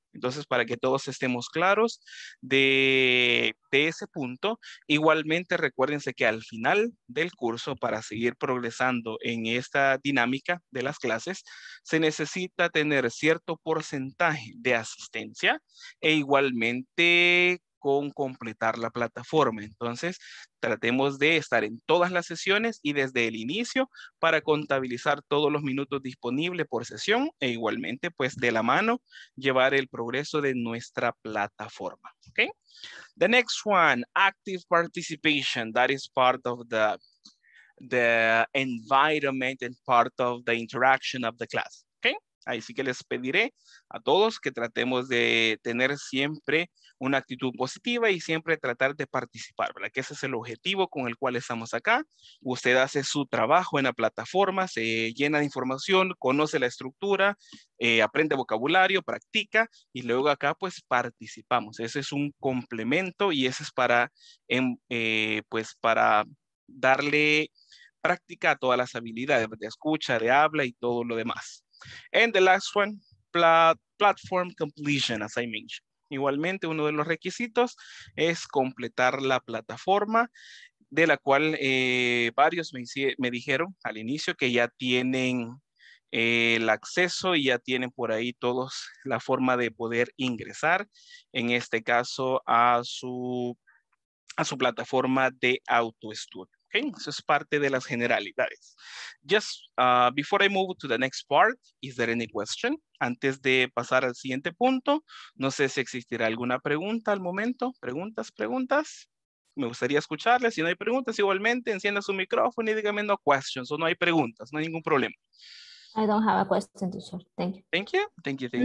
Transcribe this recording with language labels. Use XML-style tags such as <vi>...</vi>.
<es>Entonces, para que todos estemos claros de ese punto, igualmente recuérdense que al final del curso, para seguir progresando en esta dinámica de las clases, se necesita tener cierto porcentaje de asistencia e igualmente con completar la plataforma. Entonces, tratemos de estar en todas las sesiones y desde el inicio para contabilizar todos los minutos disponibles por sesión e igualmente, pues, de la mano, llevar el progreso de nuestra plataforma.</es> <en>Okay? The next one, active participation, that is part of the environment and part of the interaction of the class. Okay?</en> <es>Ahí sí que les pediré a todos que tratemos de tener siempre una actitud positiva y siempre tratar de participar, ¿verdad? Que ese es el objetivo con el cual estamos acá. Usted hace su trabajo en la plataforma, se llena de información, conoce la estructura, aprende vocabulario, practica y luego acá pues participamos. Ese es un complemento y ese es para, pues para darle práctica a todas las habilidades de escucha, de habla y todo lo demás.</es> <en>And the last one, platform completion, as I mentioned.</en> <es>Igualmente, uno de los requisitos es completar la plataforma de la cual varios me dijeron al inicio que ya tienen el acceso y ya tienen por ahí todos la forma de poder ingresar, en este caso, a su plataforma de autoestudio. Okay? Eso es parte de las generalidades.</es> <en>Just before I move to the next part, is there any question?</en> <es>Antes de pasar al siguiente punto, no sé si existirá alguna pregunta al momento. Preguntas. Me gustaría escucharles. Si no hay preguntas, igualmente encienda su micrófono y dígame</es> <en>no questions</en> <es>o no hay preguntas. No hay ningún problema.</es> <en>I don't have a question, teacher. Thank you. Thank you. Thank you. Thank</en>